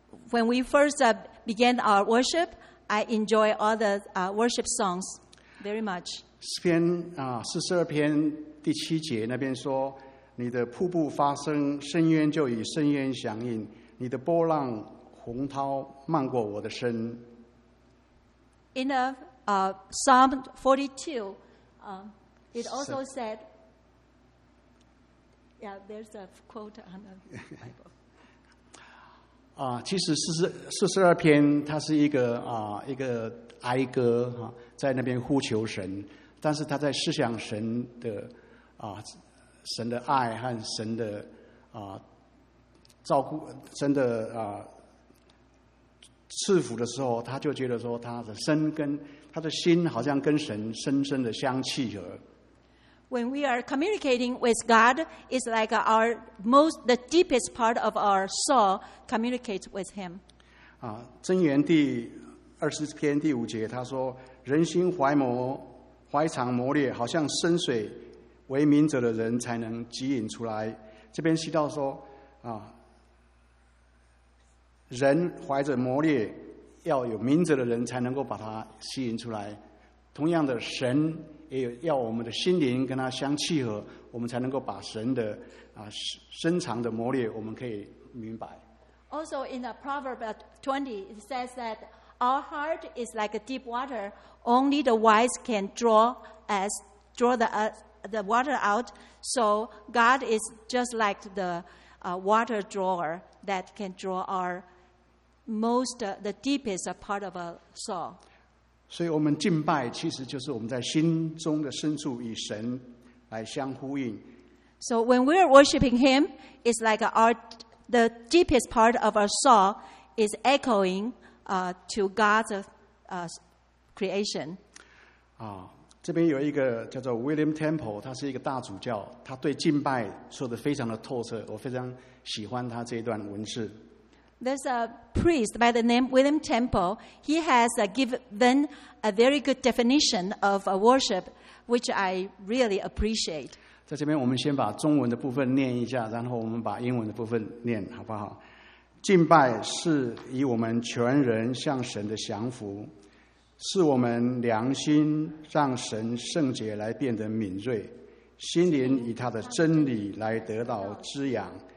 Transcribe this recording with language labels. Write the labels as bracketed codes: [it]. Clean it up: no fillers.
[en] When we first began our worship, I enjoy all the worship songs very much. [zh] 诗篇42篇第七节那边说，你的瀑布发声，深渊就与深渊响应，你的波浪洪涛漫过我的身。 [en] In Psalm 42, it also said, yeah, there's a quote on the Bible. [zh] 其实42篇它是一个哀歌，在那边呼求神，但是他在思想神的神的爱和神的照顾，神的赐福的时候，他就觉得说他的身跟他的心好像跟神深深的相契合。 [en] When we are communicating with God, it's like our most the deepest part of our soul communicates with Him. [zh] 箴言第20篇第五节，他说：“人心怀藏谋略，好像深水。” 为明哲的人才能汲引出来。这边提到说人怀着谋略，要有明哲的人才能够把它吸引出来。同样的，神也要我们的心灵跟他相契合，我们才能够把神的深藏的谋略我们可以明白。 [en] Also in the Proverb 20, it says that our heart is like a deep water, only the wise can draw the water out, so God is just like the water drawer that can draw our most, the deepest part of our soul. [zh] 所以我们敬拜其实就是我们在心中的深处与神来相呼应。 [en] So when we are worshiping Him, it's like our The deepest part of our soul is echoing to God's creation. [zh] 这边有一个叫做 William Temple， 他是一个大主教，他对敬拜说得非常的透彻，我非常喜欢他这一段文字。 [en] There's a priest by the name William Temple. He has given a very good definition of worship, which I really appreciate. [zh] 在这边，我们先把中文的部分念一下，然后我们把英文的部分念，好不好？敬拜是以我们全人向神的降服，是我们良心让神圣洁来变得敏锐，心灵以他的真理来得到滋养，